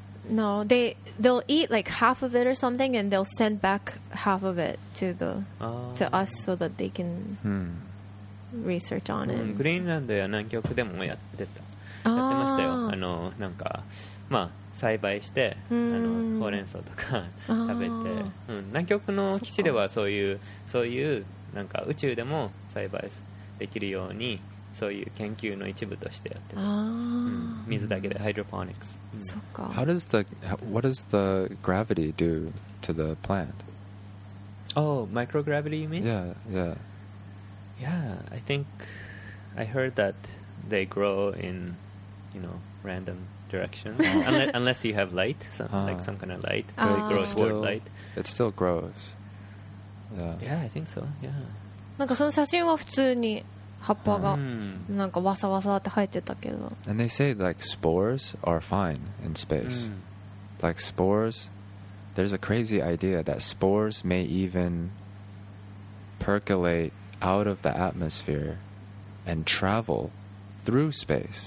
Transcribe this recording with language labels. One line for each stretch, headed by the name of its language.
English: No, they'll eat like half of it or something, and they'll send back half of it to us so that they can research on it.
Japanese: グリーンランドや南極でもやってましたよ。あのなんかまあ栽培して、あのほうれん草とか食べて、南極の基地ではそういうなんか宇宙でも栽培できるようにそういう研究の一部としてやってる。水だけでハイドロポニクス。そっか。
English: How does the what does the gravity do to the plant? Oh, microgravity, you mean? Yeah, yeah. Yeah, I think I heard that they grow in, you know, random. Direction, unless you have light, like some kind of light, but it grows toward light. It still grows. Yeah, I think so. Yeah.
Japanese: なんかその写真は普通に葉っぱがなんかわさわさって生えてたけど。
English: And they say like spores are fine in space. Like spores, there's a crazy idea that spores may even percolate out of the atmosphere and travel through space.